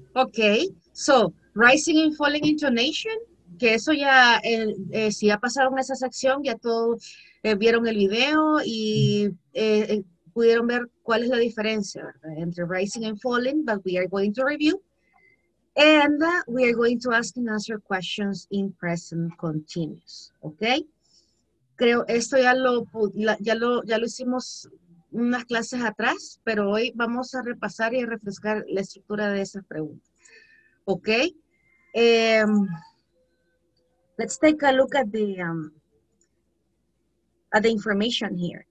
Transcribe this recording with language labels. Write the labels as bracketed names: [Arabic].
[English] Okay, so rising and falling intonation, [Spanish] que eso ya, si ya pasaron esa sección, ya todos vieron el video y pudieron ver cuál es la diferencia, ¿verdad? Entre [English] rising and falling, but we are going to review. And we are going to ask and answer questions in present continuous, okay? [Spanish] Creo esto ya lo hicimos unas clases atrás, pero hoy vamos a repasar y a refrescar la estructura de esas preguntas, okay? [English] Let's take a look at the information here.